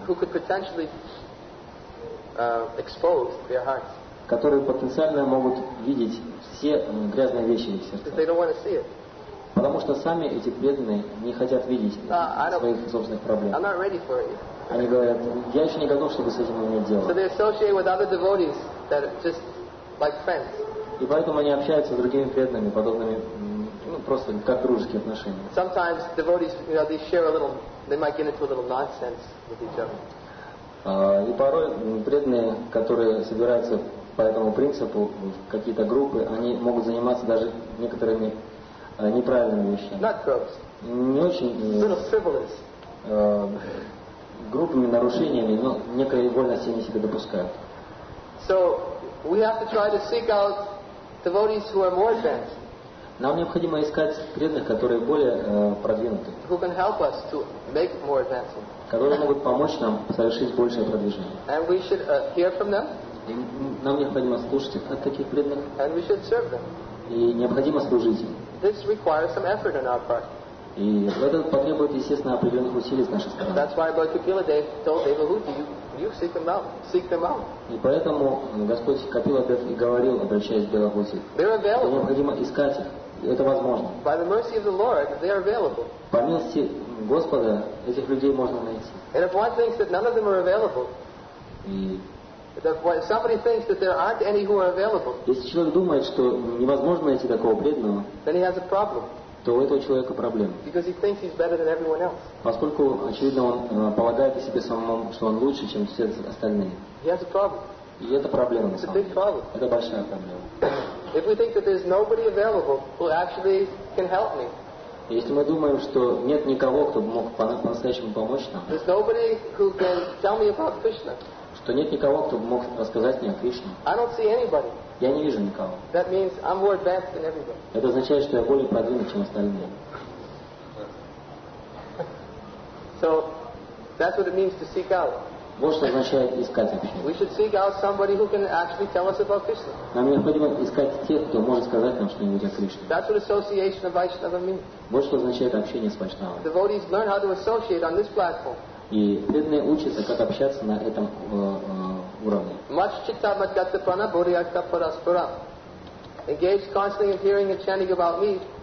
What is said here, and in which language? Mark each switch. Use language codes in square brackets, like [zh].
[en] who could potentially, expose their hearts, [ru] которые потенциально могут видеть все грязные вещи в их сердцах. [en] They don't want to see it. [ru] Потому что сами эти преданные не хотят видеть своих собственных проблем. [en] I'm not ready for it. [ru] Они говорят, я еще не готов, чтобы с этим иметь дело. [en] So they associate with other devotees that are just like friends. [ru] И поэтому они общаются с другими преданными, подобными, ну, просто как дружеские отношения. [en] Sometimes devotees, you know, they share a little, they might get into a little nonsense with each other. [ru] И порой преданные, которые собираются по этому принципу в какие-то группы, они могут заниматься даже некоторыми неправильными вещами. [en] Not gross. [ru] Не очень. [en] A little frivolous. [ru] Группами, нарушениями, но некой вольности они себе допускают. [en] So we have to try to seek out devotees who are more advanced. [ru] Нам необходимо искать преданных, которые более продвинуты. [en] Who can help us to make more advancement. [ru] Которые могут помочь нам совершить большее продвижение. [en] And we should hear from them. [ru] И нам необходимо слушать от таких преданных. [en] And we should serve them. [ru] И необходимо служить им. [en] This requires some effort on our part. [ru] И это потребует, естественно, определенных усилий с нашей стороны. [en] That's why Lord Kapila Dev told Devahuti, you seek them out. Seek them out. [ru] И поэтому Господь Капила Дев и говорил, обращаясь к Девахути, что необходимо искать их. И это возможно. [en] By the mercy of the Lord, they are available. [ru] По милости Господа этих людей можно найти. [en] And if one thinks that none of them are available, if somebody thinks that there aren't any who are available, [ru] если человек думает, что невозможно найти такого преданного, [en] then he has a problem. [ru] То у этого человека проблемы. [en] Because he thinks he's better than everyone else. [ru] Поскольку, очевидно, он полагает о себе самому, что он лучше, чем все остальные. [en] He has a problem. [ru] И это проблема. [en] It's a big problem. [ru] Это большая проблема. [en] If we think that there's nobody available who actually can help me, [ru] если мы думаем, что нет никого, кто бы мог по-настоящему помочь нам, [en] there's nobody who can tell me about Krishna, [ru] что нет никого, кто бы мог рассказать мне о Кришне, [en] I don't see anybody. [ru] Я не вижу никого. [en] That means I'm more advanced than everybody. [ru] Это означает, что я более продвинут, чем остальные. [en] So, that's what it means to seek out. [ru] Вот что означает искать общение. [en] We should seek out somebody who can actually tell us about Krishna. [ru] Нам необходимо искать тех, кто может сказать нам что-нибудь о Кришне. [en] That's what association of Vaishnava means. [ru] Вот что означает общение с Вайшнавами. [en] Devotees learn how to associate on this platform. [ru] И преданные учатся, как общаться на этом уровне. [sa] Much chitta madgatapana buriyakta paraspara. [en] engaged constantly in hearing and chanting about me.